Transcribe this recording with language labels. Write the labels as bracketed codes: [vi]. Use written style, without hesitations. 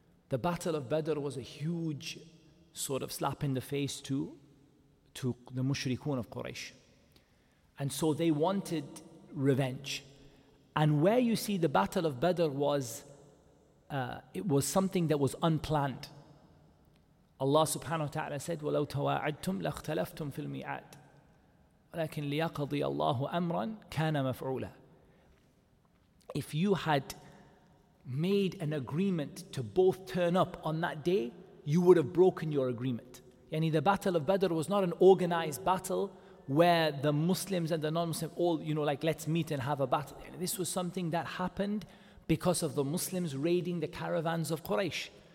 [en] The Battle of Badr was a huge sort of slap in the face to the mushrikun of Quraysh. And so they wanted revenge. And where you see the Battle of Badr was, it was something that was unplanned. [ar] Allah subhanahu wa ta'ala said, وَلَوْ تَوَاعَدْتُمْ لَاخْتَلَفْتُمْ فِي الْمِيعَادِ وَلَكِنْ لِيَقَضِيَ اللَّهُ أَمْرًا كَانَ مَفْعُولًا. [en] If you had made an agreement to both turn up on that day, you would have broken your agreement. Yani the Battle of Badr was not an organized battle where the Muslims and the non-Muslims all, you know, like, let's meet and have a battle. Yani this was something that happened because of the Muslims raiding the caravans of Quraysh.